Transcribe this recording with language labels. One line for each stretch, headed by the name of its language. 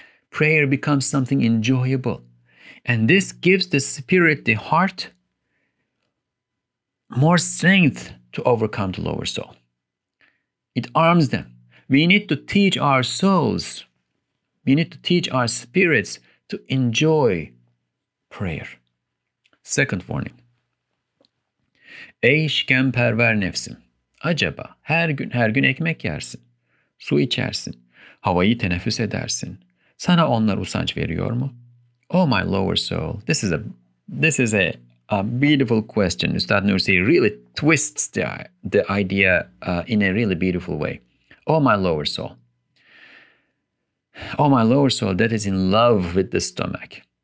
English: Prayer becomes something enjoyable, and this gives the spirit, the heart, more strength to overcome the lower soul. It arms them. We need to teach our souls, we need to teach our spirits to enjoy prayer. Second warning.
Turkish: Ey şikemperver nefsim, acaba her gün ekmek yersin, su içersin, havayı teneffüs edersin. Sana onlar usanç veriyor mu?
English: Oh my lower soul, this is a beautiful question. Üstad Nursi really twists the idea in a really beautiful way. Oh my lower soul that is in love with the stomach.